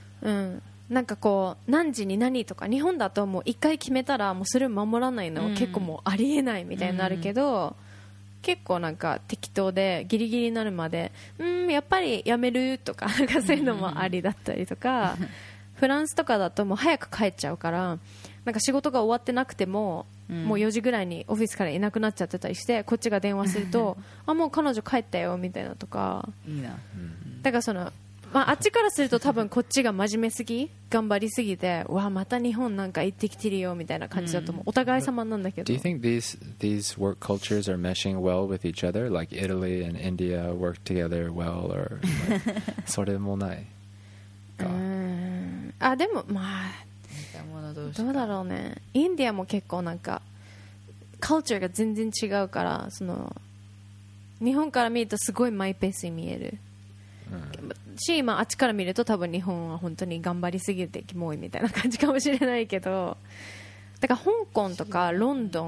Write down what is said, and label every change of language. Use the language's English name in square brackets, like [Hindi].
[Japanese] うん、なんかこう何時に何とか、日本だともう一回決めたらもうそれを守らないのは結構もうありえないみたいになるけど、うん、結構なんか適当でギリギリになるまでうんやっぱりやめるとかそういうのもありだったりとか、うん、フランスとかだともう早く帰っちゃうから、なんか仕事が終わってなくても、うん、もう4時ぐらいにオフィスからいなくなっちゃってたりして、こっちが電話するとあもう彼女帰ったよみたいなとか、いいな、だからその、まあ、あっちからすると多分こっちが真面目すぎ頑張りすぎてわまた日本なんか行ってきてるよみたいな感じだと思う、うん、お互い様なんだけど、 [English] Do you think these work cultures are meshing well with each other like Italy and India work together well or like, [Japanese] それもない、うん、あでもまあどうだろうね、インディアも結構なんかカルチャーが全然違うから、その日本から見るとすごいマイペースに見える、うん、し、まあ、あっちから見ると多分日本は本当に頑張りすぎてキモいみたいな感じかもしれないけど、だから香港とかロンドン、